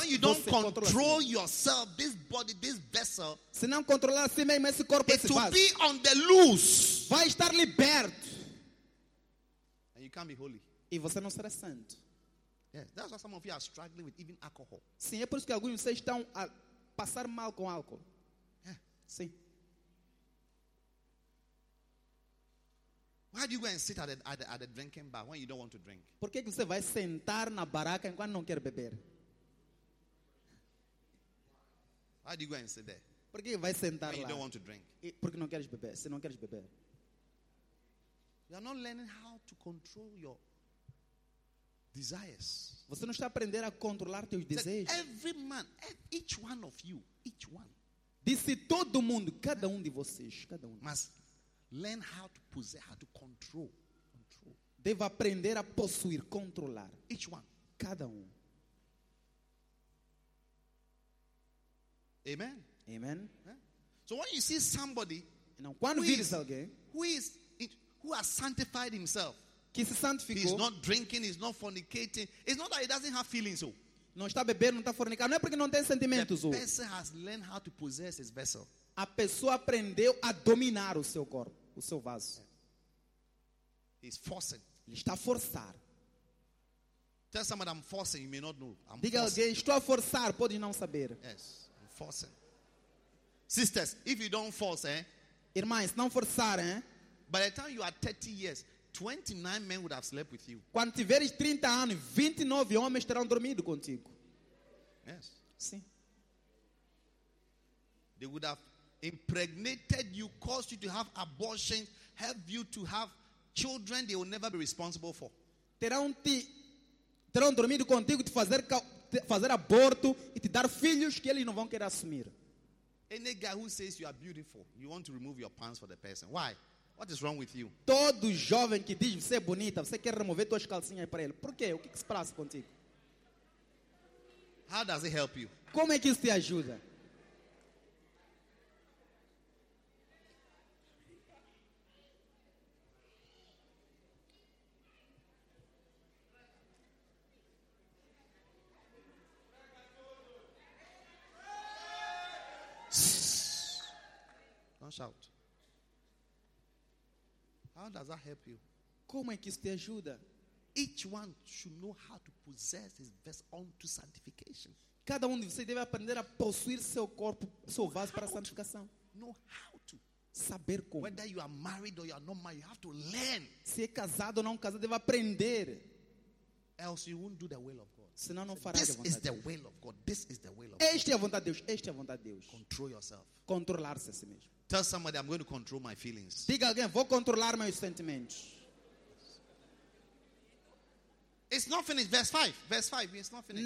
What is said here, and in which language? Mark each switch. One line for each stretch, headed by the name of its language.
English: When you don't control yourself, this body, this vessel,
Portuguese: se não controlar a si mesmo esse corpo, esse vaso,
English: it will be on the loose.
Portuguese: Vai estar liberto.
English: And you can't be holy.
Portuguese: E você não será santo.
English: Yeah, that's why some of you are struggling with even alcohol.
Portuguese: Sim, é por isso que alguns de vocês estão a passar mal com álcool.
English: Yeah.
Portuguese: Sim.
English: Why do you go and sit at the drinking bar when you don't want to drink?
Portuguese: Por que você vai sentar na baraca enquanto não quer beber?
English: Why do you go and sit there?
Portuguese: Por que vai sentar
English: when You don't want to drink.
Portuguese: Porque não queres beber. Se não queres beber.
English: You are not learning how to control your desires.
Portuguese: Você não está aprendendo a controlar teus desejos.
English: Every man, each one of you, each one.
Portuguese: Disse todo mundo, cada de vocês, cada Mas
English: learn how to possess, how to control. Control.
Portuguese: Deve aprender a possuir, controlar.
English: Each one.
Portuguese: Cada Amen. Amen.
English: So when you see somebody,
Portuguese: now, quando vires alguém,
English: who has sanctified himself,
Portuguese: que se santificou,
English: he's not drinking, he's not fornicating, it's not that he doesn't have feelings. So.
Portuguese: Não está bebendo, não está fornicando, não é porque não tem sentimentos.
English: The person has learned how to possess his vessel.
Portuguese: A pessoa aprendeu a dominar o seu corpo, o seu vaso.
English: He's forcing.
Portuguese: Ele está a forçar.
English: Tell someone I'm forcing, you may not know. I'm
Portuguese: Diga
English: forcing.
Portuguese: Alguém, estou a forçar, pode não saber.
English: Yes, I'm forcing. Sisters, if you don't force,
Portuguese: Irmãs, não forçar,
English: By the time you are 30 years, 29 men would have slept with you.
Portuguese: Quando tiveres 30 anos, 29 homens terão dormido contigo.
English: Yes.
Portuguese: Sim.
English: They would have impregnated you, caused you to have abortions, helped you to have children they will never be responsible for.
Portuguese: Terão dormido contigo, te fazer aborto e te dar filhos que eles não vão querer assumir.
English: Any guy who says you are beautiful, you want to remove your pants for the person. Why? What is wrong with you?
Portuguese: Todo jovem que diz você é bonita, você quer remover suas calcinhas para ele. Por quê? O que se passa contigo?
English: How does it help you?
Portuguese: Como é que isso te ajuda?
English: Don't shout. How does that help you?
Portuguese: Como é que isso te ajuda?
English: Each one should know how to possess his vessel unto sanctification.
Portuguese: Cada de vocês deve aprender a possuir seu corpo, seu vaso para a santificação.
English: Know how to.
Portuguese: Saber como.
English: Whether you are married or you are not married, you have to learn.
Portuguese: Se é casado ou não casado, deve aprender.
English: Else you won't do the will of God.
Portuguese: Senão não farás a vontade.
English: This is the will of God. This is the will of
Portuguese: God. Esta é a vontade de Deus. Esta é a vontade de Deus.
English: Control yourself.
Portuguese: Controlar-se a si mesmo.
English: Tell somebody I'm going to control my feelings.
Portuguese: Diga alguém, vou controlar meus sentimentos.
English: It's not finished. Verse 5. It's not finished.